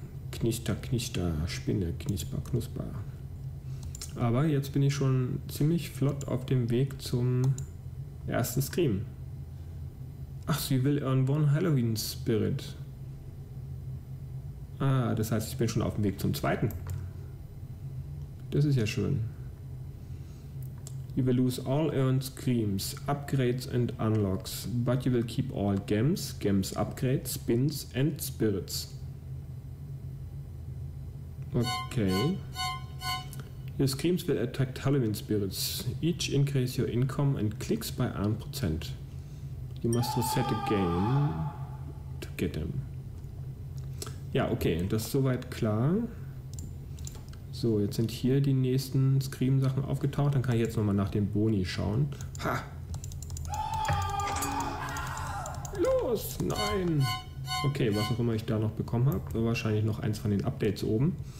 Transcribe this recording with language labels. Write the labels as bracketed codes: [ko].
[de] Knister, knister, Spinne, knisper, knusper. Aber jetzt bin ich schon ziemlich flott auf dem Weg zum ersten Scream. Ach, sie will ihren One Halloween Spirit. Ah, das heißt, ich bin schon auf dem Weg zum zweiten. Das ist ja schön. [en] You will lose all earned screams, upgrades and unlocks, but you will keep all gems, gems upgrades, spins and spirits. Okay. Your screams will attract Halloween spirits. Each increase your income and clicks by 1%. You must reset the game to get them. [de] Ja, okay, das ist soweit klar. So, jetzt sind hier die nächsten Scream-Sachen aufgetaucht. Dann kann ich jetzt nochmal nach dem Boni schauen. Ha! Los! Nein! Okay, was auch immer ich da noch bekommen habe. Wahrscheinlich noch eins von den Updates oben.